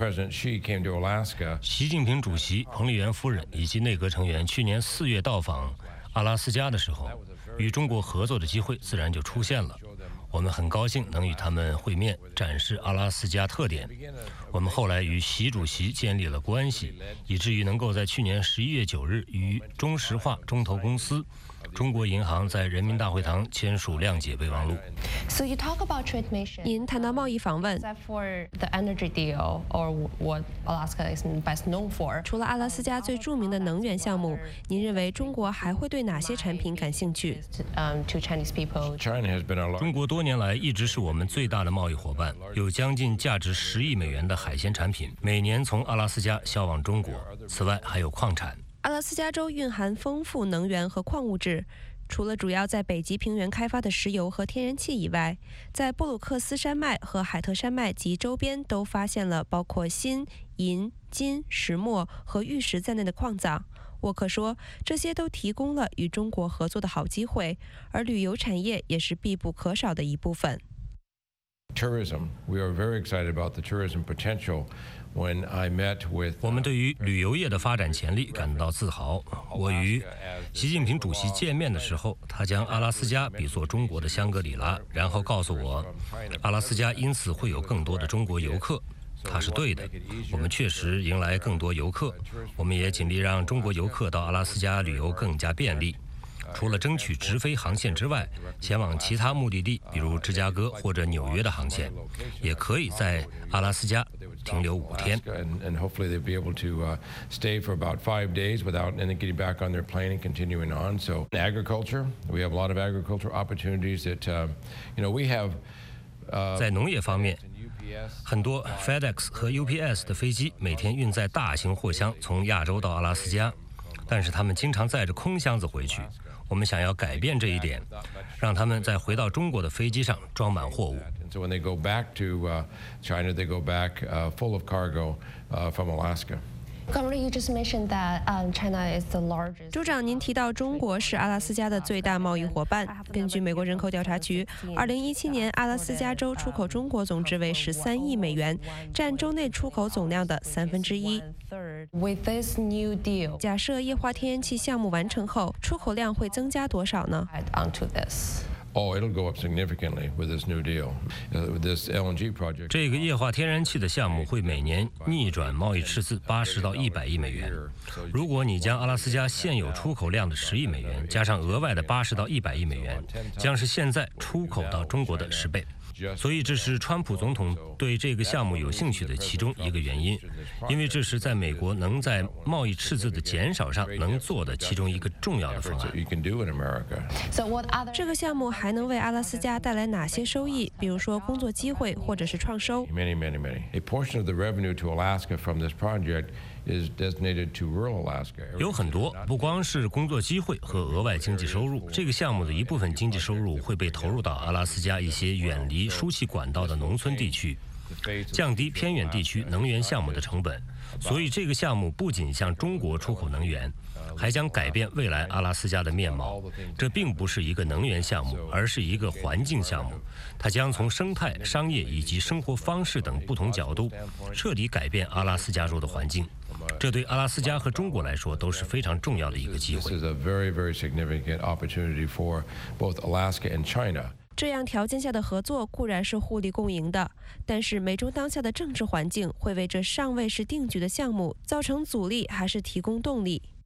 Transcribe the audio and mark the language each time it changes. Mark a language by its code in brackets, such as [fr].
[zh] 习近平主席、彭丽媛夫人以及内阁成员去年4月到访阿拉斯加的时候，与中国合作的机会自然就出现了。我们很高兴能与他们会面，展示阿拉斯加特点。我们后来与习主席建立了关系，以至于能够在去年11月9日与中石化、中投公司、中国银行在人民大会堂签署谅解备忘录。 [en] So you talk about trade mission. [zh] 您谈到贸易访问。 [en] Except for the energy deal or what Alaska is best known for. [zh] 除了阿拉斯加最著名的能源项目，您认为中国还会对哪些产品感兴趣？ [en] To Chinese people. [zh] 中国多年来一直是我们最大的贸易伙伴，有将近价值10亿美元的海鲜产品每年从阿拉斯加销往中国，此外还有矿产。阿拉斯加州蕴含丰富能源和矿物质，除了主要在北极平原开发的石油和天然气以外，在布鲁克斯山脉和海特山脉及周边都发现了包括锌、银、金、石墨和玉石在内的矿藏。沃克说，这些都提供了与中国合作的好机会，而旅游产业也是必不可少的一部分。 [en] Tourism, we are very excited about the tourism potential. When I met with, [zh] 我们对于旅游业的发展潜力感到自豪。我与习近平主席见面的时候，他将阿拉斯加比作中国的香格里拉，然后告诉我，阿拉斯加因此会有更多的中国游客。他是对的，我们确实迎来更多游客，我们也尽力让中国游客到阿拉斯加旅游更加便利。除了争取直飞航线之外，前往其他目的地，比如芝加哥或者纽约的航线，也可以在阿拉斯加停留5天。 [en] And hopefully they'll be able to stay for about 5 days without and then getting back on their plane and continuing on. So agriculture, we have a lot of agricultural opportunities that, you know, we have. [zh] 在农业方面，很多 FedEx 和 UPS 的飞机每天运载大型货箱从亚洲到阿拉斯加，但是他们经常载着空箱子回去。我们想要改变这一点，让他们在回到中国的飞机上装满货物。 [en] So when they go back to China, they go back full of cargo from Alaska. Governor, you just mentioned that China is the largest. [zh] 州长，您提到中国是阿拉斯加的最大贸易伙伴。根据美国人口调查局，2017年阿拉斯加州出口中国总值为13亿美元，占州内出口总量的1/3。 [en] With this new deal, [zh] 假设液化天然气项目完成后，出口量会增加多少呢？ [en] Onto this. Oh, it'll go up significantly with this new deal. This LNG project. [zh] 这个液化天然气的项目会每年逆转贸易赤字80到100亿美元。如果你将阿拉斯加现有出口量的10亿美元加上额外的80到100亿美元，将是现在出口到中国的10倍。所以这是川普总统对这个项目有兴趣的其中一个原因，因为这是在美国能在贸易赤字的减少上能做的其中一个重要的方案。这个项目还能为阿拉斯加带来哪些收益？比如说工作机会或者是创收。 [en] Many, many, many. A portion of the revenue to Alaska from this project. [zh] 有很多，不光是工作机会和额外经济收入，这个项目的一部分经济收入会被投入到阿拉斯加一些远离输气管道的农村地区，降低偏远地区能源项目的成本。所以这个项目不仅向中国出口能源，还将改变未来阿拉斯加的面貌。这并不是一个能源项目，而是一个环境项目。它将从生态、商业以及生活方式等不同角度彻底改变阿拉斯加州的环境。这对阿拉斯加和中国来说都是非常重要的一个机会。 [en] This is a very, very significant opportunity for both Alaska and China. [zh] 这样条件下的合作固然是互利共赢的，但是美中当下的政治环境会为这尚未是定局的项目造成阻力，还是提供动力？